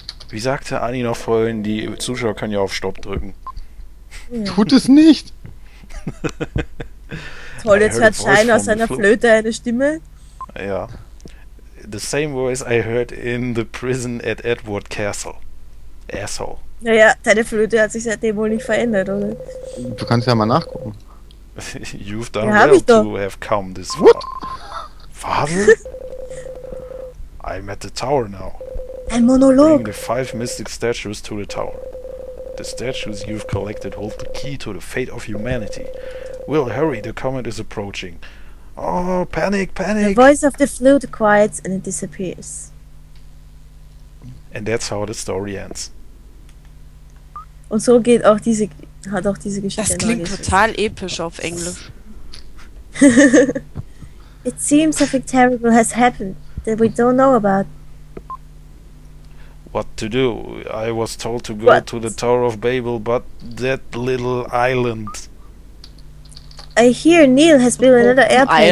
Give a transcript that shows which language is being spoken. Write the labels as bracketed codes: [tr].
[de] Wie sagte Anni noch vorhin, die Zuschauer können ja auf Stopp drücken. Tut es nicht! Toll, jetzt hört Schein aus seiner Flöte eine Stimme. Ja. [en] The same voice I heard in the prison at Edward Castle. Asshole. [de] Naja, deine Flöte hat sich seitdem wohl nicht verändert, oder? Du kannst ja mal nachgucken. [en] You've done well to have come this far. What? Father? I'm at the tower now. [de] Ein Monolog. [en] Bring the five mystic statues to the tower. The statues you've collected hold the key to the fate of humanity. Will, hurry, the comet is approaching. Oh, panic, panic! The voice of the flute quiets and it disappears. And that's how the story ends. [de] Und so geht auch diese, hat auch diese Geschichte. Das klingt total episch auf Englisch. [en] It seems something terrible has happened that we don't know about. What to do? I was told to go to the Tower of Babel, but that little island. I hear Neil has built another airplane.